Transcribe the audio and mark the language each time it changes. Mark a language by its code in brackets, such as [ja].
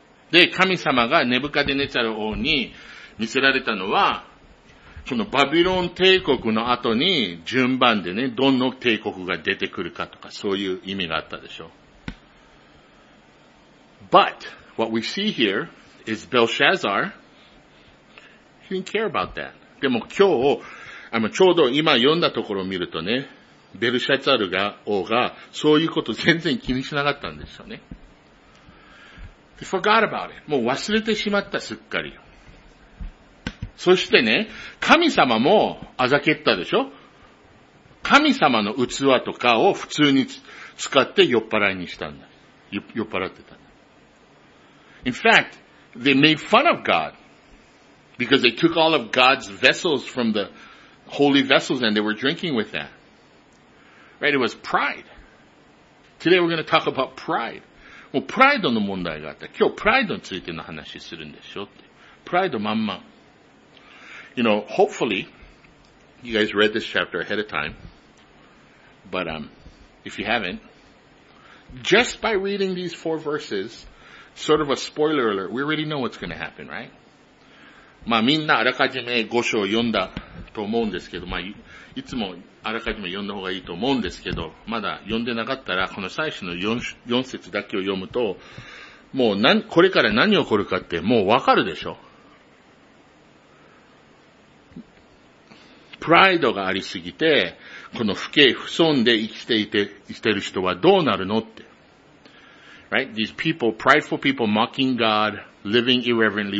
[ja] で、神様がネブカデネツァル王に見せられたのは、そのバビロン帝国の後に順番でね、どの帝国が出てくるかとか、そういう意味があったでしょ。 [en] But, what we see here is Belshazzar, he didn't care about that. [ja] でも今日、ちょうど今読んだところを見るとね、ベルシャツァル王が、そういうこと全然気にしなかったんですよね。 [en] He forgot about it. [ja] もう忘れてしまった、すっかり。そしてね、神様もあざけったでしょ？神様の器とかを普通に使って酔っ払いにしたんだ。酔っ払ってたんだ。 [en] In fact, they made fun of God because they took all of God's vessels from the holy vessels and they were drinking with that. Right? It was pride. Today we're going to talk about pride. [ja] もうプライドの問題があった。今日プライドについての話するんでしょって。プライドまんま。 [en] You know, hopefully, you guys read this chapter ahead of time. But if you haven't, just by reading these four verses, sort of a spoiler alert, we already know what's going to happen, right? [ja] まあみんなあらかじめ五章を読んだと思うんですけど、まあいつもあらかじめ読んだ方がいいと思うんですけど、まだ読んでなかったらこの最初の四節だけを読むと、もうこれから何起こるかってもうわかるでしょ。プライドがありすぎて、この不敬不遜で生きている人はどうなるのって。 [en] Right? These people, prideful people mocking God, living irreverently.